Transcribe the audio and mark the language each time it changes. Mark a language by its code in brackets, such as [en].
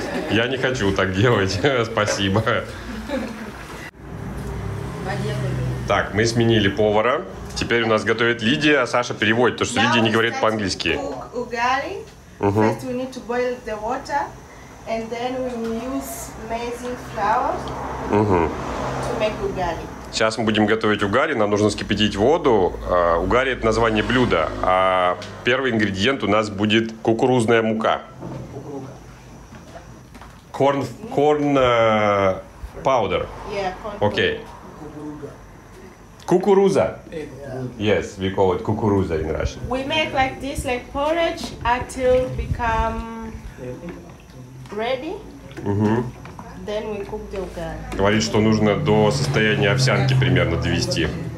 [ru] Я не хочу так делать, спасибо. Так, мы сменили повара. Теперь у нас готовит Лидия, а Саша переводит, потому что Лидия не говорит по-английски. [en] First we need to boil the water and then we use maize flour to make ugali. [ru] Сейчас мы будем готовить угари, нам нужно вскипятить воду. Угари – это название блюда, а первый ингредиент у нас будет кукурузная мука. Кукуруга. [en] Corn powder. Yeah, corn. Okay. Кукуруза. Yes, we call it кукуруза in Russian. We make like this, like porridge, until become ready. Then we cook the ugali. [ru] Говорит, что нужно до состояния овсянки примерно довести.